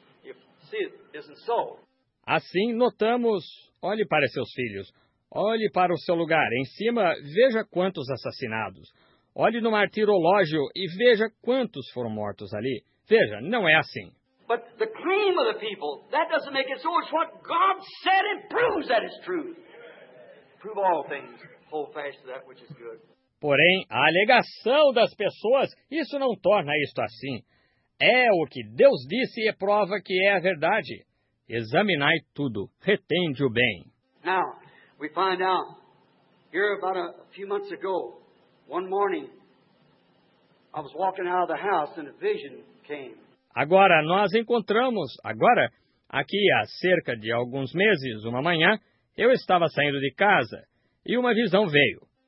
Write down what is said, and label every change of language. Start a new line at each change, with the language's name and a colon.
English: If see, it isn't so.
Portuguese: Assim, notamos, olhe para seus filhos, olhe para o seu lugar, em cima, veja quantos assassinados. Olhe no martirológio e veja quantos foram mortos ali. Veja, não é assim.
English: But the claim of the people, that doesn't make it so. It's what God said and proves that it's true. Prove all things, hold fast to that which is good.
Portuguese: Porém, a alegação das pessoas, isso não torna isto assim. É o que Deus disse e prova que é a verdade. Examinai tudo, retende o bem.
English: Now, we find out, here about a few months ago, one morning, I was walking out of the house and a vision came.
Portuguese: Agora, nós encontramos, agora, aqui há cerca de alguns meses, uma manhã, eu estava saindo de casa e uma visão veio.